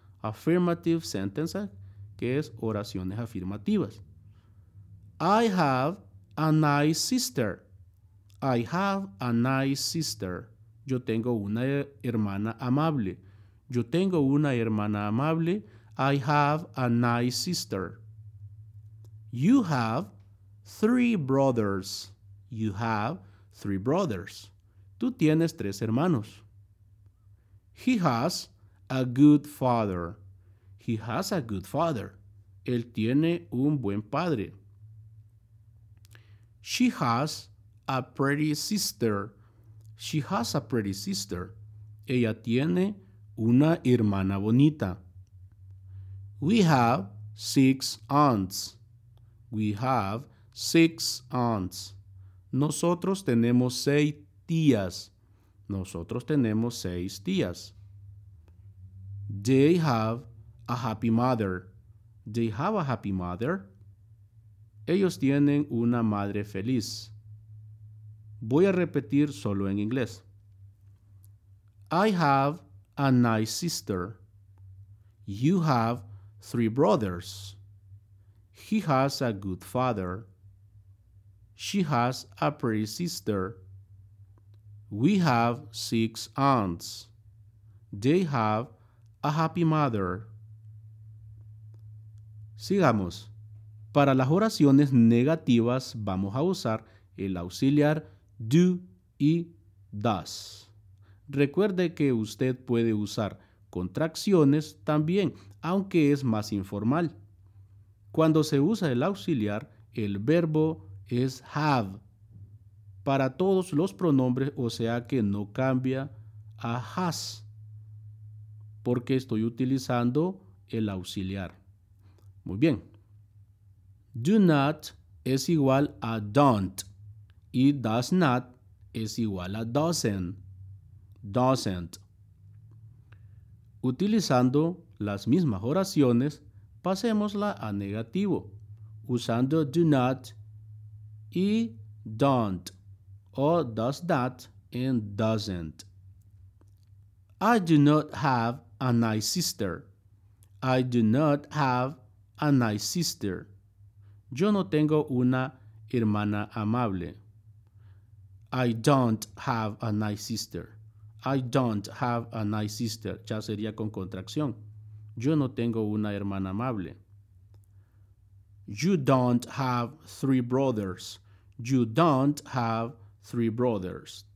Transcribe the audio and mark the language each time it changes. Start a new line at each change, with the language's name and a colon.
English: affirmative sentences,
Spanish: que es oraciones afirmativas.
English: I have a nice sister. I have a nice sister.
Spanish: Yo tengo una hermana amable. Yo tengo una hermana amable.
English: I have a nice sister. You have three brothers. You have three brothers.
Spanish: Tú tienes tres hermanos.
English: He has a good father. He has a good father.
Spanish: Él tiene un buen padre.
English: She has a pretty sister. She has a pretty sister.
Spanish: Ella tiene una hermana bonita.
English: We have six aunts. We have six aunts.
Spanish: Nosotros tenemos seis tías. Nosotros tenemos seis tías.
English: They have a happy mother. They have a happy mother.
Spanish: Ellos tienen una madre feliz. Voy a repetir solo en inglés.
English: I have a nice sister. You have three brothers. He has a good father. She has a pretty sister. We have six aunts. They have a happy mother.
Spanish: Sigamos. Para las oraciones negativas vamos a usar el auxiliar do y does. Recuerde que usted puede usar contracciones también, aunque es más informal. Cuando se usa el auxiliar, el verbo es have para todos los pronombres, o sea que no cambia a has porque estoy utilizando el auxiliar. Muy bien. Do not es igual a don't y does not es igual a doesn't. Doesn't. Utilizando las mismas oraciones, pasémosla a negativo usando do not y don't, o
English: does not and doesn't. I do not have a nice sister. I do not have a nice sister.
Spanish: Yo no tengo una hermana amable.
English: I don't have a nice sister. I don't have a nice sister.
Spanish: Ya sería con contracción. Yo no tengo una hermana amable.
English: You don't have three brothers. You don't have three brothers.